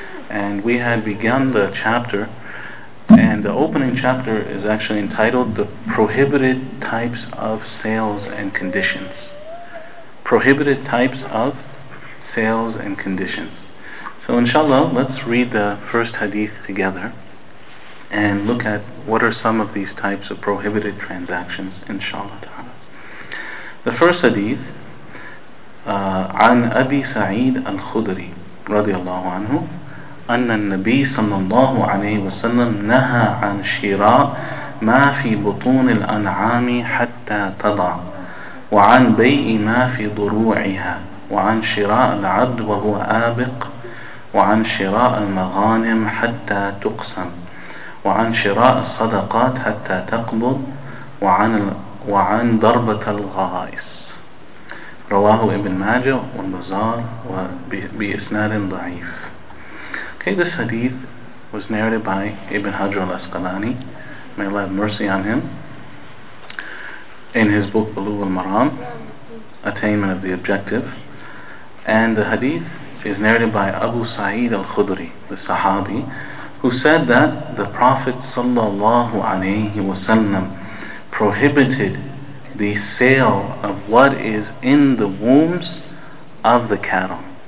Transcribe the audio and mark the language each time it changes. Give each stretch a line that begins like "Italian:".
English: And we had begun the chapter, and the opening chapter is actually entitled The Prohibited Types of Sales and Conditions. Prohibited Types of Sales and Conditions. So inshallah, let's read the first hadith together and look at what are some of these types of prohibited transactions, inshallah ta'ala. The first hadith,
Arabic: عن أبي سعيد الخدري رضي الله عنه أن النبي صلى الله عليه وسلم نهى عن شراء ما في بطون الأنعام حتى تضع وعن بيع ما في ضروعها وعن شراء العبد وهو آبق وعن شراء المغانم حتى تقسم وعن شراء الصدقات حتى تقبض وعن ضربة الغائص رواه ابن ماجه والبزار وبإسناد ضعيف.
English: Okay, this hadith was narrated by Ibn Hajar al-Asqalani, may Allah have mercy on him, in his book Bulugh al-Maram, Attainment of the Objective. And the hadith is narrated by Abu Sa'id al-Khudri, the Sahabi, who said that the Prophet sallallahu alayhi wa sallam prohibited the sale of what is in the wombs of the cattle